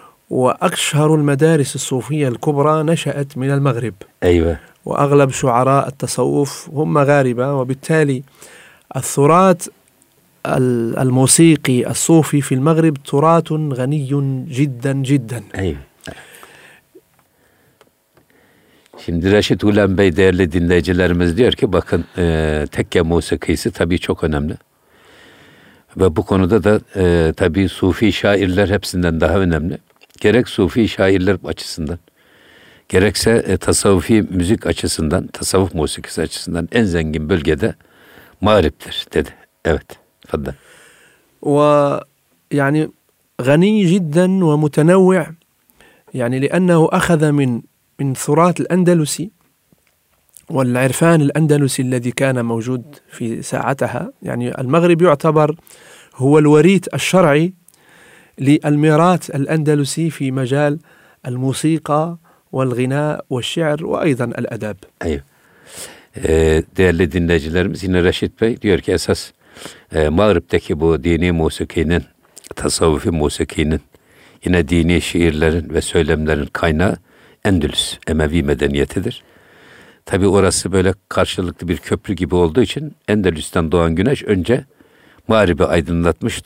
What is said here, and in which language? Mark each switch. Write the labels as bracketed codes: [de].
[ar] وأكثر المدارس الصوفية الكبرى نشأت من المغرب. أيوة. وأغلب شعراء التصوف هم مغاربة، وبالتالي الثرات الموسيقي الصوفي في المغرب ترات غني جدا جدا. أيوة. [tr] Şimdi Reşit Ulan Bey, değerli dinleyicilerimiz, diyor ki bakın tekke musikisi tabii çok önemli. Ve bu konuda da tabii sufi şairler hepsinden daha önemli. Gerek sufi şairler açısından, gerekse tasavvufi müzik açısından, tasavvuf musikisi açısından en zengin bölgede mağriptir dedi. Evet, fadda. Ve yani [ar] gani cidden ve mutenevvi', yani liennehu akhada من ثرات الأندلسي والعرفان الأندلسي الذي كان موجود في ساعتها. يعني المغرب يعتبر هو الوريث الشرعي للميراث الأندلسي في مجال الموسيقى والغناء والشعر وأيضا الأدب. أيوة. [tr] değerli dinleyicilerimiz, yine Reşit Bey diyor ki esas Mağrip'teki bu dini musikinin, tasavvufi musikinin, yine dini şiirlerin ve söylemlerin kaynağı Endülüs, Emevi medeniyetidir. Tabi orası böyle karşılıklı bir köprü gibi olduğu için Endülüs'ten doğan güneş önce Mağrib'i aydınlatmış.